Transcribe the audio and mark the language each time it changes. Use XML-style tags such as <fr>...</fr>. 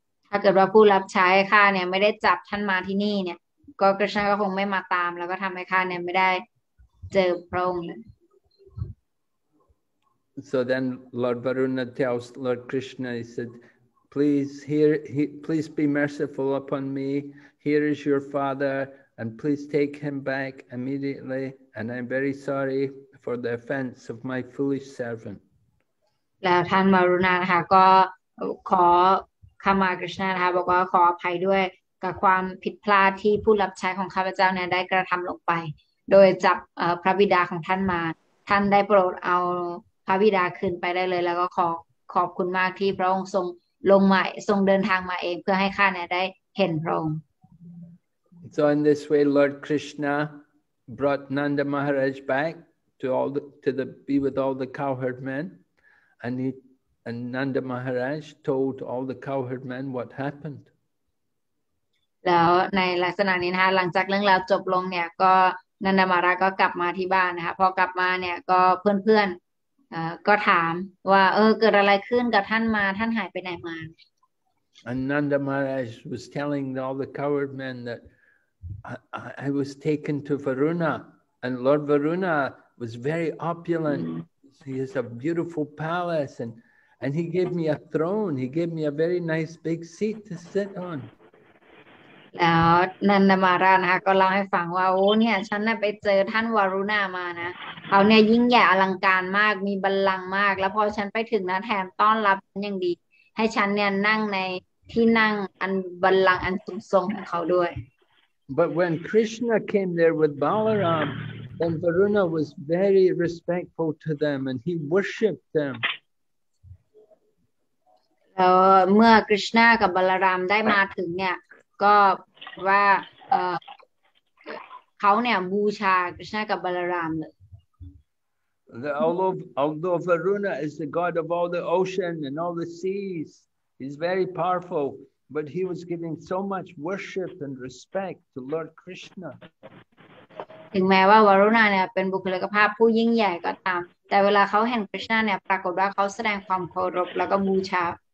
<th>ถ้าเกิดว่าผู้รับใช้ข้าเนี่ยไม่ได้จับท่านมาที่นี่เนี่ยก็กระชั้นก็คงไม่มาตามแล้วก็ทำให้ข้าเนี่ยไม่ได้เจอพระองค์เลย</th> <en>So then Lord Varuna tells Lord Krishna, he said, please be merciful upon me. Here is your father, and please take him back immediately. And I'm very sorry for the offense of my foolish servant.</en> <th>แล้วท่านวารุณานะคะก็ขอข้ามาคริชนานะคะบอกว่าขออภัยด้วยกับความผิดพลาดที่ผู้รับใช้ของข้าพเจ้าเนี่ยได้กระทำลงไปโดยจับพระบิดาของท่านมาท่านได้โปรดเอาพระบิดาคืนไปได้เลยแล้วก็ขอบคุณมากที่พระองค์ทรงลงมาทรงเดินทางมาเองเพื่อให้ข้าเนี่ยได้เห็นพระองค์</th> <en>So in this way Lord Krishna brought Nanda Maharaj back to be with all the cowherd men And Nanda Maharaj told all the cowherd men what happened.</en> <th>แล้วในลักษณะนี้นะคะหลังจากเรื่องราวจบลงเนี่ยก็นันดามาราก็กลับมาที่บ้านนะคะพอกลับมาเนี่ยก็เพื่อนๆก็ถามว่าเกิดอะไรขึ้นกับท่านมาท่านหายไปไหนมา</th> <en>And Nanda Maharaj was telling all the cowherd men that I was taken to Varuna and Lord Varuna was very opulent. He has a beautiful palace and he gave me a throne. He gave me a very nice big seat to sit on.</en> <th>แล้วนันดามาราชนะคะก็เล่าให้ฟังว่าโอ้เนี่ยฉันน่ะไปเจอท่านวารุณามานะเขาเนี่ยยิ่งใหญ่อลังการมากมีบัลลังก์มากแล้วพอฉันไปถึงนะแถมต้อนรับอย่างดีให้ฉันเนี่ยนั่งในที่นั่งอันบัลลังก์อันสูงส่งของเขาด้วย</th> <en>But when Krishna came there with Balaram, then Varuna was very respectful to them and he worshipped them.</en> <th>เมื่อคริชนากับบาลารามได้มาถึงเนี่ยก็ว่าเขาเนี่ยบูชาคริชนากับบาลารามเลย</th> <en>Although Varuna is the god of all the ocean and all the seas, he's very powerful, but he was giving so much worship and respect to Lord Krishna.</en> <th>ถึงแม้ว่าวารุณาเนี่ยเป็นบุคลิกภาพผู้ยิ่งใหญ่ก็ตามแต่เวลาเขาเห็นคริชนาเนี่ยปรากฏว่าเขาแสดงความเคารพแล้วก็บูชา</th>